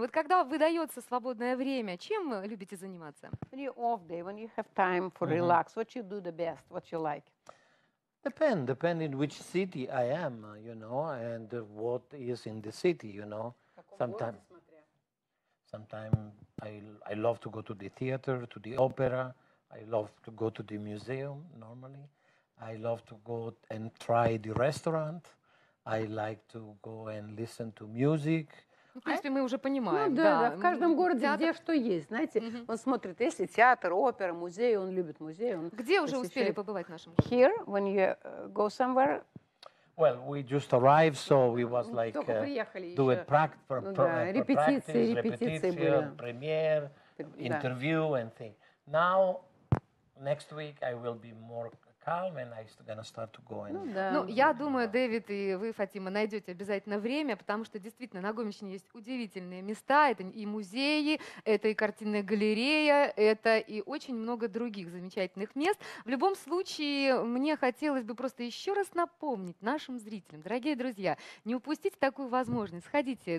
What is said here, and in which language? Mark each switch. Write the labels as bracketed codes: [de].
[ru] Вот когда выдается свободное время, чем вы любите заниматься? [en] When you off day, when you have time for relax, what you do the best, what you like? Depend in which city I am, you know, and what is in the city, you know. Sometimes I love to go to the theater, to the opera. I love to go to the museum normally. I love to go and try the restaurant. I like to go and listen to music. [ru] Ну, в принципе, мы уже понимаем. Ну, да, в каждом городе где что есть, знаете. Mm-hmm. Он смотрит, если театр, опера, музей, он любит музей. Он где уже успели побывать в нашем городе? [en] Here, when you go somewhere. Well, we just arrived, so we was like doing practice, repetition, premiere, interview, and thing. Now, next week, I will be more calm, and I'm gonna start to go. [ru] Ну, я думаю, Дэвид и вы, Фатима, найдете обязательно время, потому что действительно на Гомельщине есть удивительные места, это и музеи, это и картинная галерея, это и очень много других замечательных мест. В любом случае, мне хотелось бы просто еще раз напомнить нашим зрителям, дорогие друзья, не упустите такую возможность, сходите.